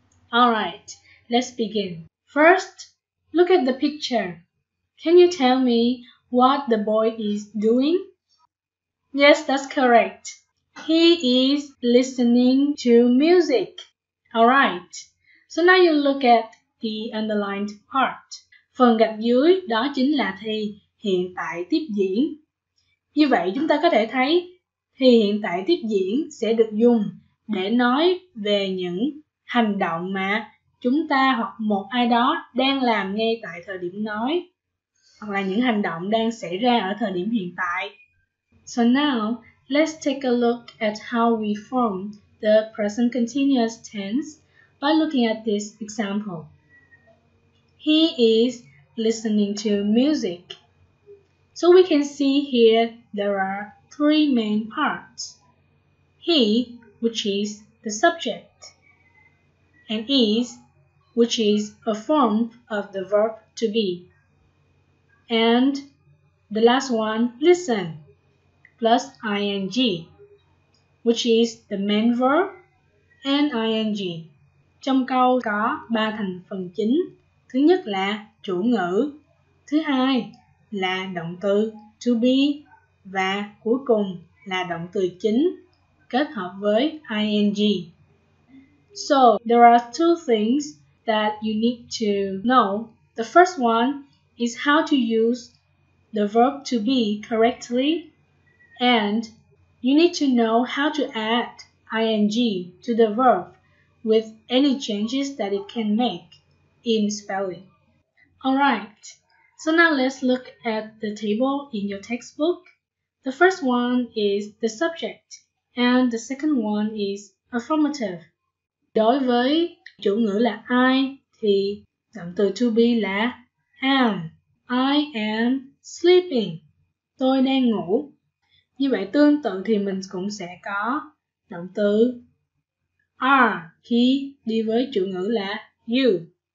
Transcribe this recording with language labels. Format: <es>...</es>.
<en>Alright, let's begin. First, look at the picture. Can you tell me what the boy is doing? Yes, that's correct. He is listening to music. Alright, so now you look at the underlined part.</en> <vi>Phần gạch dưới đó chính là thì hiện tại tiếp diễn. Như vậy chúng ta có thể thấy thì hiện tại tiếp diễn sẽ được dùng để nói về những hành động mà chúng ta hoặc một ai đó đang làm ngay tại thời điểm nói, hoặc là những hành động đang xảy ra ở thời điểm hiện tại.</vi> <en>So now, let's take a look at how we form the present continuous tense by looking at this example. He is listening to music. So we can see here there are three main parts. He, which is the subject. And is, which is a form of the verb to be. And the last one, listen, plus ing, which is the main verb and ing.</en> <vi>Trong câu có ba thành phần chính. Thứ nhất là chủ ngữ. Thứ hai là động từ to be. Và cuối cùng là động từ chính kết hợp với ing.</vi> <en>So, there are two things that you need to know. The first one is how to use the verb to be correctly, and you need to know how to add ing to the verb with any changes that it can make in spelling. Alright, so now let's look at the table in your textbook. The first one is the subject, and the second one is affirmative.</en> <vi>Đối với chủ ngữ là I thì động từ to be là am.</vi> <en>I am sleeping.</en> <vi>Tôi đang ngủ. Như vậy tương tự thì mình cũng sẽ có động từ are khi đi với chủ ngữ là you.</vi>